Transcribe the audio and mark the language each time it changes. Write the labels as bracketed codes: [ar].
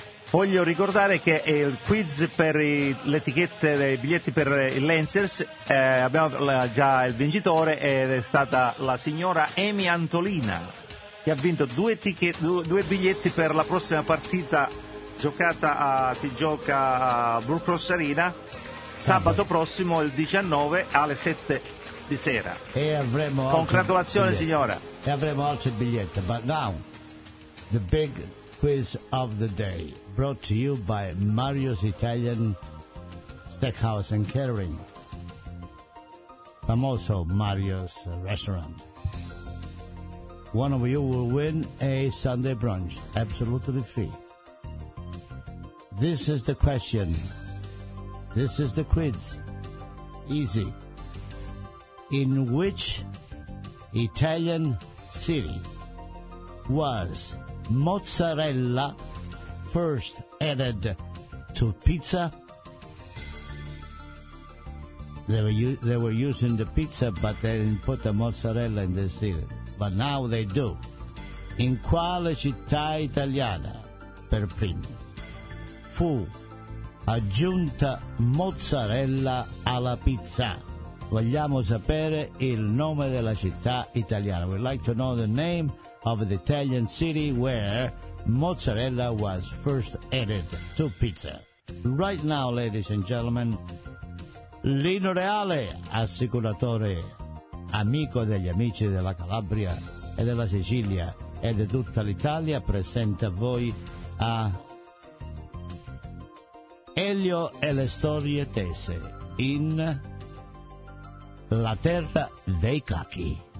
[it] Voglio ricordare che il quiz per le etichette dei biglietti per il Lancers, abbiamo già il vincitore ed è stata la signora Amy Antolina, che ha vinto due biglietti per la prossima partita giocata si gioca a Brookcross Arena sabato prossimo, il 19 alle 7 di sera. E avremo. Congratulazioni, signora. E avremo altri biglietti. [en] But now, the big quiz of the day, brought to you by Mario's Italian Steakhouse and Catering, famoso Mario's restaurant. One of you will win a Sunday brunch, absolutely free. This is the question. This is the quiz. Easy. In which Italian city was mozzarella first added to pizza? They were using the pizza, but they didn't put the mozzarella in the city. But now they do. [it] In quale città italiana per primo fu aggiunta mozzarella alla pizza? Vogliamo sapere il nome della città italiana. [en] We'd like to know the name of the Italian city where mozzarella was first added to pizza. Right now, ladies and gentlemen, [it] Lino Reale, assicuratore, amico degli amici della Calabria e della Sicilia e di tutta l'Italia, presenta a voi a Elio e le storie tese in La terra dei cachi.